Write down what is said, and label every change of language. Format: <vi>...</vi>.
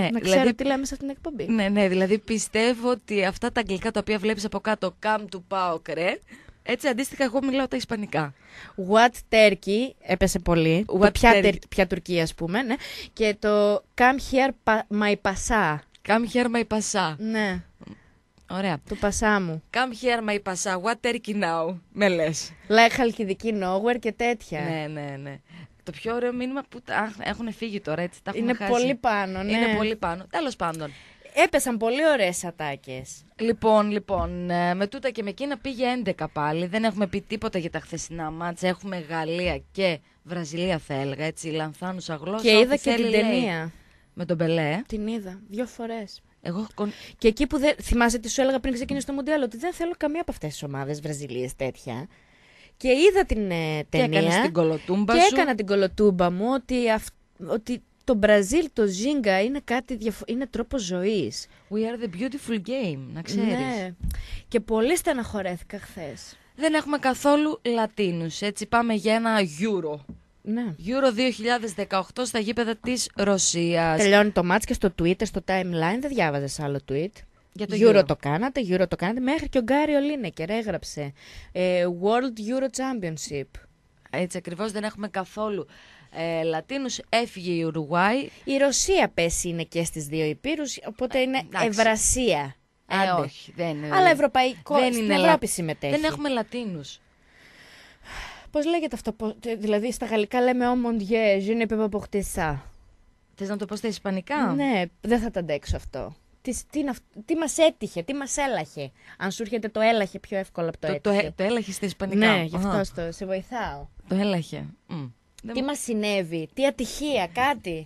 <el>να ξέρω δηλαδή, τι λέμε σε αυτήν την εκπομπή. Ναι, ναι. Δηλαδή πιστεύω ότι αυτά τα αγγλικά τα οποία βλέπεις από κάτω,</el> <en>come to PAOK,</en> <el>ρε. Έτσι αντίστοιχα εγώ μιλάω τα ισπανικά.</el> <en>What Turkey</en> <el>έπεσε πολύ. What ποια, ποια Τουρκία, ας πούμε. Ναι. Και το</el> <en>come here my</en> <el>πασά.</el> <en>Come here my πασά.</en> <el>Ναι. Ωραία. Του πασά μου.</el> <en>Come here my πασά. What Turkey now.</en> <el>Με λες. Λέει χαλκιδική nowhere και τέτοια. Ναι, ναι, ναι. Το πιο ωραίο μήνυμα που έχουν φύγει τώρα, έτσι. Τα είναι χάσει. Πολύ πάνω, ναι. Είναι πολύ πάνω. Τέλος πάντων. Έπεσαν πολύ ωραίες ατάκες. Λοιπόν, με τούτα και με εκείνα πήγε 11 πάλι. Δεν έχουμε πει τίποτα για τα χθεσινά μάτσα. Έχουμε Γαλλία και Βραζιλία, θα έλεγα, έτσι, λανθάνουσα γλώσσα. Και είδα και την ταινία. Με τον Πελέ. Την είδα, δύο φορές. Εγώ... Και εκεί που θυμάσαι τι σου έλεγα πριν ξεκινήσει το Μουντιάλ, ότι δεν θέλω καμία από αυτές τις ομάδες Βραζιλίες τέτοια. Και είδα την ταινία. Και έκανες την κολοτούμπα και σου. Και έκανα την κολοτούμπα μου ότι... Το Μπραζίλ, το Ζίγκα είναι κάτι είναι τρόπο ζωή.</el> <en>We are the beautiful game,</en> <el>να ξέρεις. Ναι. Και πολύ στεναχωρέθηκα χθες. Δεν έχουμε καθόλου Λατίνους. Έτσι, πάμε για ένα Euro. Ναι. Euro 2018 στα γήπεδα της Ρωσίας. Τελειώνει το μάτς και στο Twitter, στο timeline. Δεν διάβαζες άλλο tweet. Για το Euro το κάνατε, Euro το κάνατε. Μέχρι και ο Γκάρι Ολίνεκερ έγραψε.</el> <en>World Euro Championship.</en> <el>Έτσι ακριβώς, δεν έχουμε καθόλου. Λατίνους, έφυγε η Ουρουγουάη. Η Ρωσία πέσει είναι και στις δύο Ηπείρους, οπότε είναι Ευρασία. Όχι, δεν είναι. Αλλά ευρωπαϊκό, δεν στην Ευρώπη συμμετέχει. Δεν έχουμε Λατίνους. Πώς λέγεται αυτό, δηλαδή στα γαλλικά λέμε</el> <fr>«Oh mon Dieu, je ne peux pas porter ça».</fr> <el>Θες να το πω στα ισπανικά? Ναι, δεν θα τα αντέξω αυτό. Τι μας έτυχε, τι μας έλαχε. Αν σου έρχεται το έλαχε πιο εύκολα από το έτυχε. Το έλαχε στα ισπανικά. Ναι, γι' αυτό σε βοηθάω. Το έλαχε. Τι μας συνέβη, τι ατυχία, κάτι.</el>